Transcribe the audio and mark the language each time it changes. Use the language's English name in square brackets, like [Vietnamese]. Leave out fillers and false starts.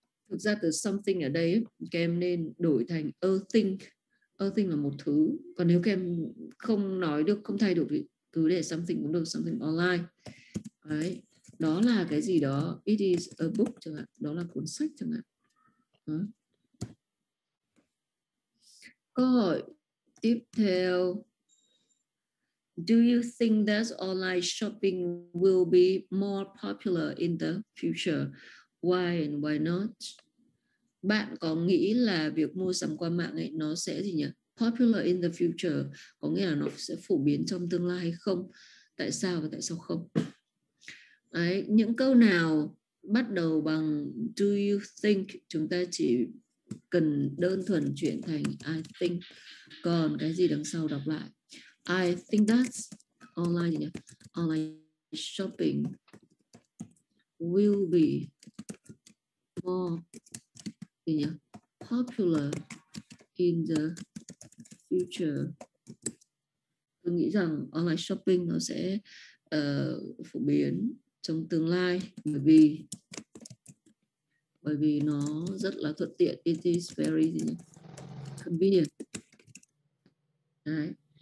[Vietnamese] Thực ra từ something ở đây, các em nên đổi thành a thing. A thing là một thứ. Còn nếu các em không nói được, không thay đổi thì cứ để something cũng được, something online. Đấy. Đó là cái gì đó. [English] It is a book [Vietnamese] chẳng hạn. Đó là cuốn sách chẳng hạn. Đó. Câu hỏi [English] Tiếp theo, do you think that online shopping will be more popular in the future? Why and why not? [Vietnamese] Bạn có nghĩ là việc mua sắm qua mạng ấy nó sẽ gì nhỉ? [English] Popular in the future [Vietnamese] có nghĩa là nó sẽ phổ biến trong tương lai hay không? Tại sao và tại sao không? Đấy, những câu nào bắt đầu bằng [English] do you think, [Vietnamese] chúng ta chỉ cần đơn thuần chuyển thành [English] I think. [Vietnamese] Còn cái gì đằng sau đọc lại? [English] I think that online shopping will be more popular in the future. [Vietnamese] Tôi nghĩ rằng online shopping nó sẽ phổ biến trong tương lai bởi vì nó rất là thuận tiện. [English] It is very convenient. [Vietnamese] Đấy.